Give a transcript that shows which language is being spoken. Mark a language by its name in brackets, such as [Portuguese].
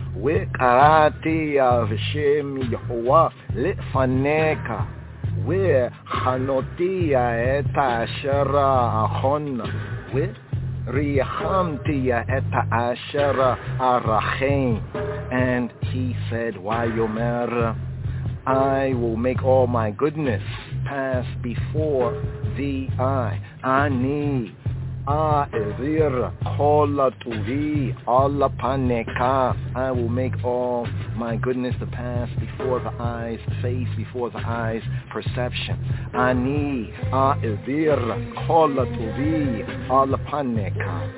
[Hebrew] וקראתי בשם יהוה לפניך וחנותי את אשר אכון וריחמתי את אשר ארחם. [English] And he said, ויאמר, I will make all my goodness pass before thee. [Hebrew] I אני אעביר כל טובי על פניך. [English] I will make all my goodness to pass before the eyes, face before the eyes, perception. [Hebrew] אני אעביר כל טובי על פניך.